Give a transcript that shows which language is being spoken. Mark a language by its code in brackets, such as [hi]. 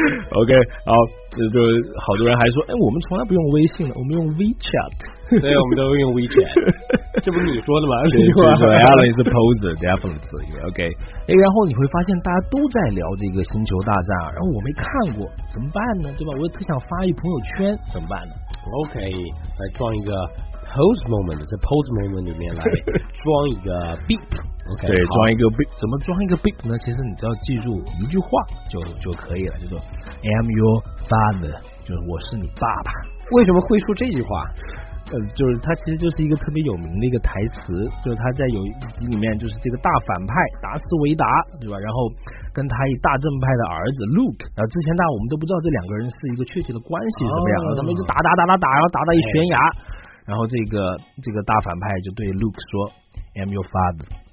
[zh] OK, 好，这就好多人还说，哎，我们从来不用微信了，我们用 WeChat, 对，我们都用 WeChat, 这不是你说的吗？对对对 [en] Alan is a poser, definitely, OK, [zh] 哎，然后你会发现大家都在聊这个星球大战，然后我没看过怎么办呢，对吧？我也特想发一朋友圈怎么办呢？ OK, 来装一个 pose moment, 在 pose moment 里面来装一个 beep, OK, 对，装一个 beep, 怎么装一个 beep 呢？其实你只要记住一句话就可以了，就说 [en] I'm your father, [zh] 就是我是你爸爸。为什么会说这句话？就是他其实就是一个特别有名的一个台词，就是他在有一集里面，就是这个大反派达斯维达，对吧？然后跟他一大正派的儿子 Luke, 然后之前大家我们都不知道这两个人是一个确切的关系怎么样，他们就打，然后打到一悬崖，然后这个大反派就对 Luke 说 ， [en] I'm your father。